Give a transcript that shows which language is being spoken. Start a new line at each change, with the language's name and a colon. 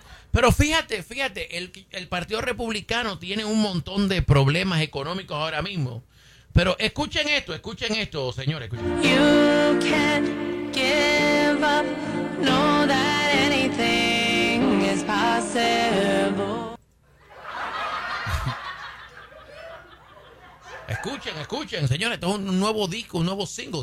Spanish: Pero fíjate, el Partido Republicano tiene un montón de problemas económicos ahora mismo. Pero escuchen esto, señores.
English: You can't give up, know that anything is possible.
Spanish: Escuchen, señores, esto es un nuevo disco, un nuevo single.